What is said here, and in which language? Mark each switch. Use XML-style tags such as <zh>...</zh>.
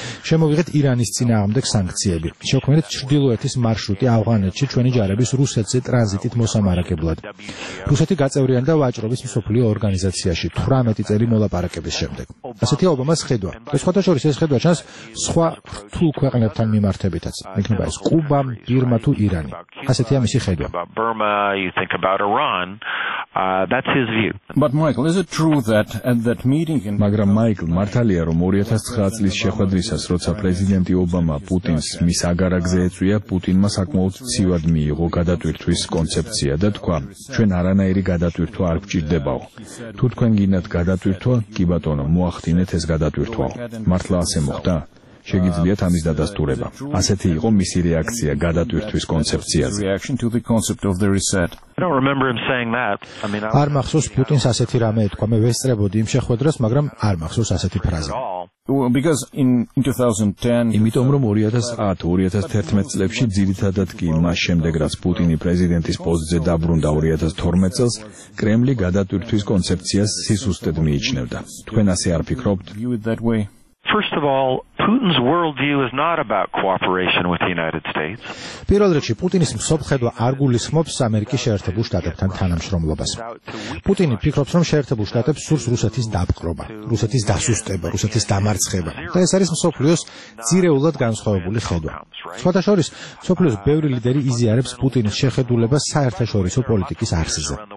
<ka>შემოვიღეთ ირანის წინააღმდეგ სანქციები. შეგვქმნათ ჩრდილოეთის მარშრუტი ავღანეთში ჩვენი ჯარების რუსეთზე ტრანზიტით მოსამარაგებლად. რუსეთი გაწევრიანდა ვაჭრობის მსოფლიო ორგანიზაციაში 18 წელი მოლაპარაკების შემდეგ. ასეთია ობამას ხედვა. სხვათაშორის ეს ხედვა ჩანს სხვა რთულ ქვეყნებთან მიმართებითაც. იქნება ეს კუბა, ბირმა თუ ირანი. ასეთია მისი ხედვა.</ka> <en>Burma, you think about Iran. That's his view. But Michael, is it true that at that meeting in</en> <ka>მაგრამ მაიკლ, მართალია რომ 2009 წლის შეხვედრისას, როცა პრეზიდენტი ობამა პუტინს მის აგარაკზე ეწვია, პუტინმა საკმაოდ ცივად მიიღო გადატვირთვის კონცეფცია და თქვა: ჩვენ არანაირი გადატვირთვა არ გვჭირდებაო. თუ თქვენ გინდათ გადატვირთვა, კი ბატონო, მოახდინეთ ეს გადატვირთვა. მართლა ასე მოხდა? შეგიძლიათ ამის დადასტურება. ასეთი იყო მისი რეაქცია გადატვირთვის კონცეფციაზე.</ka> <en>I don't remember him saying that. I mean,</en> <ka>არ მახსოვს პუტინს ასეთი რამე ეთქვა. მე ვესწრებოდი იმ შეხვედრას, მაგრამ არ მახსოვს ასეთი ფრაზა.</ka> <en>Because in 2010,</en> <ka>იმიტომ რომ 2010-2011 წლებში ძირითადად კი მას შემდეგ, რაც პუტინი პრეზიდენტის პოსტზე დაბრუნდა 2012 წელს, კრემლი გადატვირთვის კონცეფციას სისუსტად მიიჩნევდა. თქვენ ასე არ ფიქრობთ?</ka> <en>First of all, Putin's worldview is not about cooperation with the United States.</en> <ka>პირველ რიგში, პუტინის მსოფლმხედვა არ გულისხმობს ამერიკის შეერთებულ შტატებთან თანამშრომლობას. პუტინი ფიქრობს, რომ შეერთებულ შტატებს სურს რუსეთის დაპყრობა, რუსეთის დასუსტება, რუსეთის დამარცხება. და ეს არის მსოფლიოს ძირეულად განსხვავებული ხედვა. სხვათაშორის, მსოფლიოს ბევრი ლიდერი იზიარებს პუტინის შეხედულებას საერთაშორისო პოლიტიკის არსზე.</ka>